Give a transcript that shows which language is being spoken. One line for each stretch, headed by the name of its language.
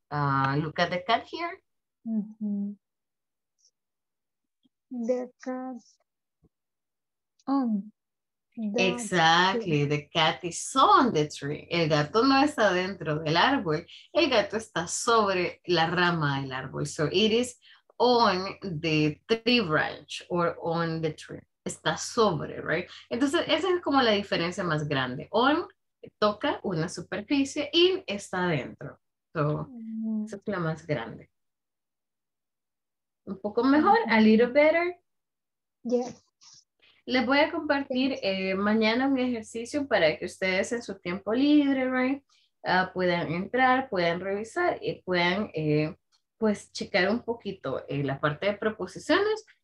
English: Look at the cat here. The cat on. Exactly. The cat is on the tree.
Spanish: El gato no está dentro del árbol. El gato está sobre la rama del árbol.
English: So it is on the tree branch or on the tree.
Spanish: Está sobre, right? Entonces, esa es como la diferencia más grande. On toca una superficie y está adentro. So, esa es la más grande. ¿Un poco mejor?
English: ¿A little better? Yeah.
Spanish: Les voy a compartir mañana un ejercicio para que ustedes en su tiempo libre, right, puedan entrar, puedan revisar y puedan pues checar un poquito la parte de proposiciones.